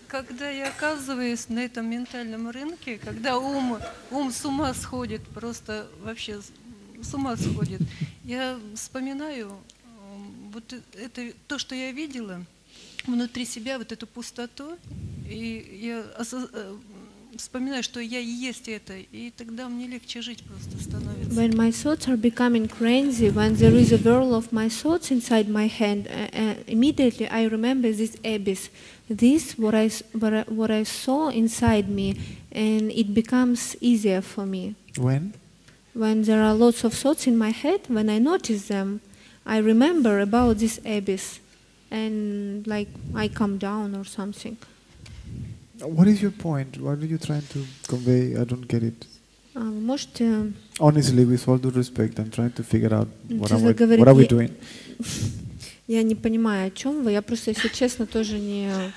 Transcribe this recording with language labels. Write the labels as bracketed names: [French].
[Russian] Когда я оказываюсь на этом ментальном рынке, когда ум с ума сходит, просто вообще с ума сходит, я вспоминаю вот это, то, что я видела внутри себя, вот эту пустоту, и я вспоминаю, что я и есть это, и тогда мне легче жить просто становится. [English] When my thoughts are becoming crazy, when there is a whirl of my thoughts inside my head, immediately I remember this abyss, this what I saw inside me, and it becomes easier for me. When? When there are lots of thoughts in my head, when I notice them, I remember about this abyss, and like I come down or something. What is your point? What are you trying to convey? I don't get it. [Russian] Можете... [English] Honestly, with all due respect, I'm trying to figure out what are we doing. [Russian] Я не понимаю, о чем вы. Я просто, если честно, тоже не...